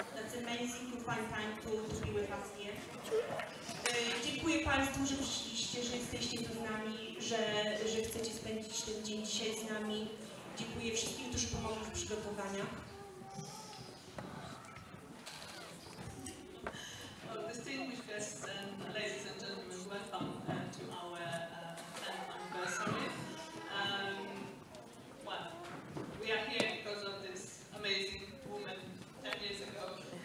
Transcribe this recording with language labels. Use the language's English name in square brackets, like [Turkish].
[English] That's amazing to find time to be with us here. [Polish] Dziękuję Państwu, że przyszliście, że jesteście tu z nami, że chcecie spędzić ten dzień dzisiaj z nami. Dziękuję wszystkim, którzy pomogli w przygotowaniach. [English] Distinguished guests and ladies and gentlemen, welcome to our 10th anniversary. Well, we are here because of this amazing woman 10 years ago.